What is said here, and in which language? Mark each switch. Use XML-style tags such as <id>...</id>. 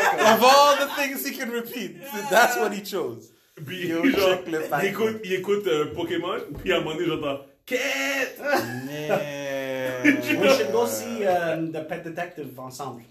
<en>Of all the things he can repeat, that's what he chose.</en> <fr>Puis, yo, genre, check le patinet. Il écoute Pokémon, puis à un moment donné, j'entends, quête!</fr> <en>Man. We should go see the Pet Detective</en> <fr>ensemble.</fr>